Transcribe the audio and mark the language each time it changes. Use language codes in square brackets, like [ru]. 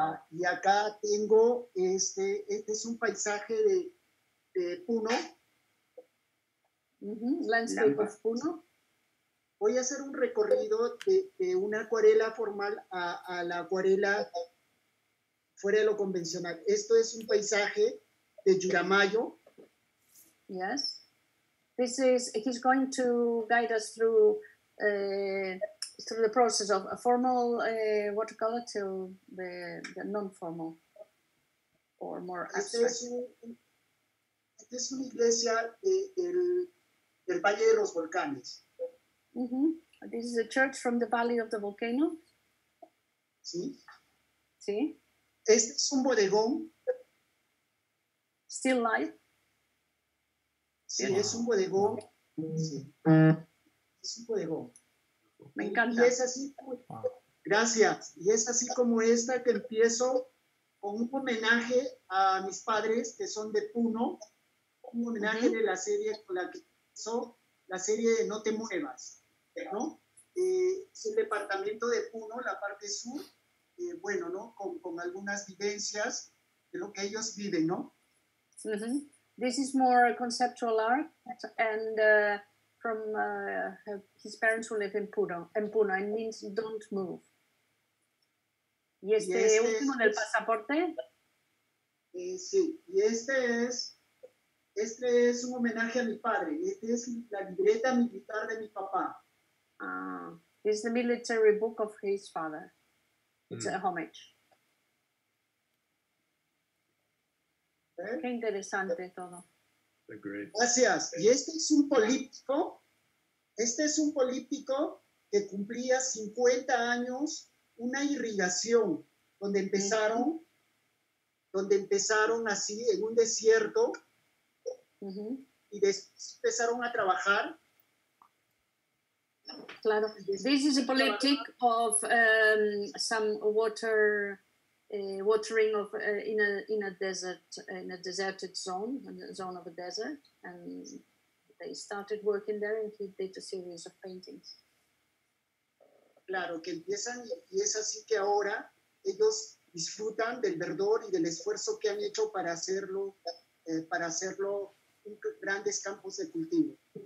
[es] Y acá tengo este es un paisaje de Puno. [en] Landscape Lampa. Of Puno. [es] Voy a hacer un recorrido de una acuarela formal a la acuarela fuera de lo convencional. Esto es un paisaje de Yuramayo. [en] Yes. This is, he's going to guide us through the process of a formal watercolor to the non-formal or more abstract. [es] Este es una iglesia de, el, Valle de los Volcanes. Mm-hmm. [en] This is a church from the Valley of the Volcano. [es] Sí. Sí. Este es un bodegón. [en] Still life. [es] Sí, wow. Es un bodegón. Mm-hmm. Sí. Es un bodegón. Me encanta. Y es así. Gracias. Y es así como esta que empiezo con un homenaje a mis padres que son de Puno. Un homenaje mm-hmm. de la serie con la que empezó la serie de No te muevas. ¿No? Es el departamento de Puno, la parte sur, bueno, ¿no? Con algunas vivencias de lo que ellos viven, ¿no? Mm-hmm. [en] This is more conceptual art, and from his parents who live in Puno, it means don't move. [es] ¿Y este es último del pasaporte? Sí, y este es un homenaje a mi padre, este es la libreta militar de mi papá. [en] It's the military book of his father. It's a homage. [es] Qué interesante todo. Gracias. Y este es un político. Este es un político que cumplía 50 años una irrigación donde empezaron así en un desierto y después empezaron a trabajar. Claro. [en] This is a politic of some water watering of in a deserted zone, and they started working there and he did a series of paintings. [es] Claro, que empiezan y es así que ahora ellos disfrutan del verdor y del esfuerzo que han hecho para hacerlo un grandes campos de cultivo.